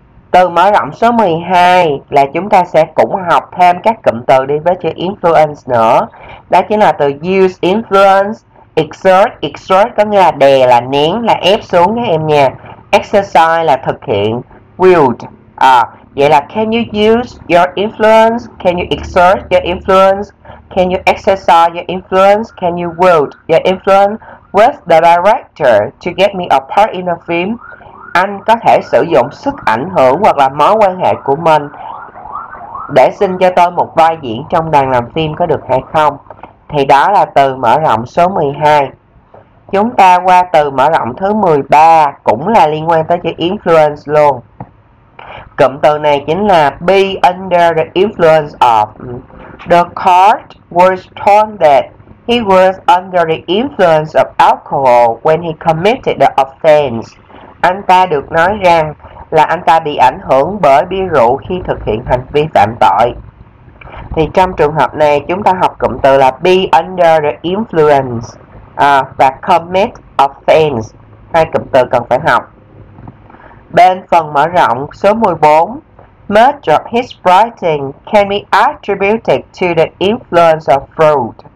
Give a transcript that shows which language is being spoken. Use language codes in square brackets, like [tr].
[vi] Từ mở rộng số 12 là chúng ta sẽ cũng học thêm các cụm từ đi với chữ influence nữa. Đó chính là từ use influence, exert, exert có nghĩa là đè, là nén, là ép xuống các em nha. Exercise là thực hiện, wield. Vậy là [en] can you use your influence, can you exert your influence, can you exercise your influence, can you wield your influence with the director to get me a part in a film? [vi] Anh có thể sử dụng sức ảnh hưởng hoặc là mối quan hệ của mình để xin cho tôi một vai diễn trong đoàn làm phim có được hay không? Thì đó là từ mở rộng số 12. Chúng ta qua từ mở rộng thứ 13, cũng là liên quan tới chữ influence luôn. Cụm từ này chính là [en] be under the influence of. The court was told that he was under the influence of alcohol when he committed the offense. [vi] Anh ta được nói rằng là anh ta bị ảnh hưởng bởi bia rượu khi thực hiện hành vi phạm tội. Thì trong trường hợp này chúng ta học cụm từ là [en] be under the influence [vi] và commit offense. Hai cụm từ cần phải học. Bên phần mở rộng số 14, [en] much of his writing can be attributed to the influence of fruit.